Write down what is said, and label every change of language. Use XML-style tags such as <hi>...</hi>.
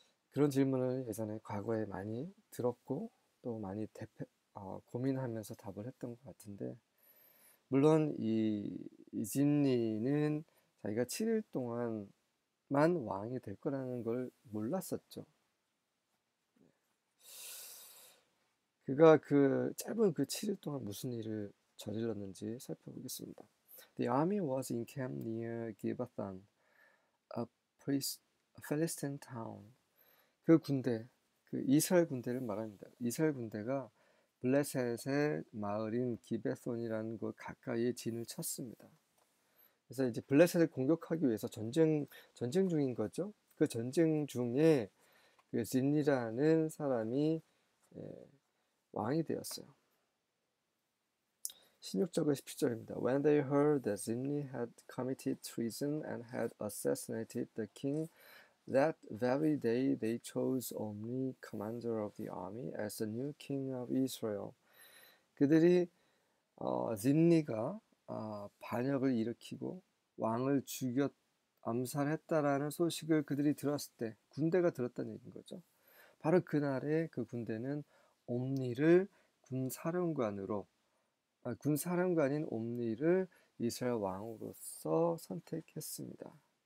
<ko>그런 질문을 예전에 과거에 많이 들었고 또 많이 고민하면서 답을 했던 것 같은데, 물론 이 짐니는 자기가 7일 동안만 왕이 될 거라는 걸 몰랐었죠. 그가 그 짧은 그 7일 동안 무슨 일을 저질렀는지 살펴보겠습니다.</ko> <en>The army was encamped near Gibbethon, Philistine town.</en> <ko>그 군대, 그 이스라엘 군대를 말합니다. 이스라엘 군대가 블레셋의 마을인 기브스온이라는 곳 가까이에 진을 쳤습니다. 그래서 이제 블레셋을 공격하기 위해서 전쟁 중인 거죠. 그 전쟁 중에 그 짐니라는 사람이 왕이 되었어요. 16절과 17절입니다.</ko> <en>When they heard that Zimni had committed treason and had assassinated the king, that very day they chose Omri, commander of the army, as the new king of Israel.</en> <ko>그들이 짐니가 반역을 일으키고 왕을 죽였 암살했다라는 소식을 그들이 들었을 때, 군대가 들었다는 얘기인 거죠. 바로 그날에 그 군대는 옴니를 군사령관인 옴니를 이스라엘 왕으로서 선택했습니다.</ko>